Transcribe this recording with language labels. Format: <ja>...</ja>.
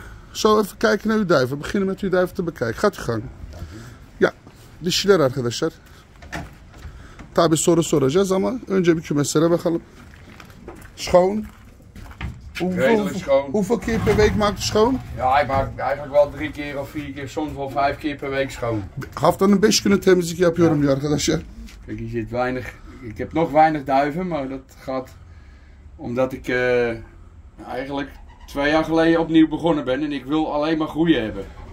<nl>Zo even kijken naar uw duiven. Beginnen met uw duiven te bekijken. Gaat uw gang. Ja.</nl> <tr>Dişiler arkadaşlar. Tabii soru soracağız ama önce bir kümeslere bakalım.</tr> <nl>Schoon. Redelijk schoon. Hoeveel keer per week maakt het schoon? Ja, hij maakt eigenlijk wel 3 keer of 4 keer, soms wel 5 keer per week schoon.</nl> <tr>Haftanın</tr> <nl>een beetje kunnen</nl> <tr>temizlik yapıyorum ya arkadaşlar.</tr> <nl>Kijk, hier zit weinig. Ik heb nog weinig duiven, maar dat gaat omdat ik eigenlijk 2 jaar geleden opnieuw begonnen ben en ik wil alleen maar groeien hebben.</nl>